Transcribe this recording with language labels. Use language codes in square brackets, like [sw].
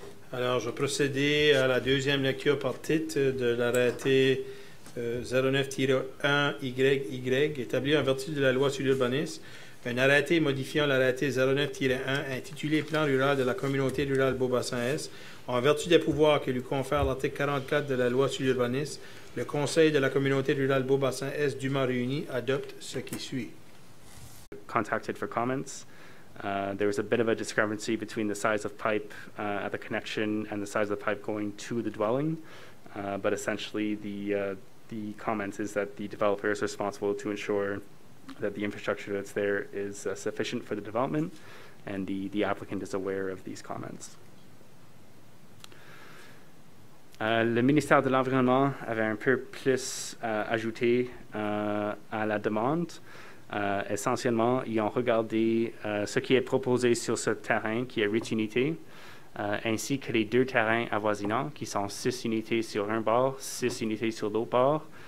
[fr] Alors, je vais procéder à la deuxième lecture par titre de l'arrêté 09-1YY, établi en vertu de la loi sur l'urbanisme, un arrêté modifiant l'arrêté 09-1 intitulé « Plan rural de la communauté rurale Beaubassin-Est ». En vertu des pouvoirs que lui confère l'article 44 de la loi sur l'urbanisme, le Conseil de la communauté rurale Beaubassin-Est dûment réuni adopte ce qui suit. [en] Contacted for comments. There was a bit of a discrepancy between the size of pipe at the connection and the size of the pipe going to the dwelling. But essentially, the comment is that the developer is responsible to ensure that the infrastructure that's there is sufficient for the development, and the applicant is aware of these comments. [fr] Le ministère de l'Environnement avait un peu plus ajouté à la demande. Essentiellement, ils ont regardé ce qui est proposé sur ce terrain qui est 8 unités. Ainsi que les deux terrains avoisinants, qui sont 6 unités sur un bord, 6 unités sur l'autre bord,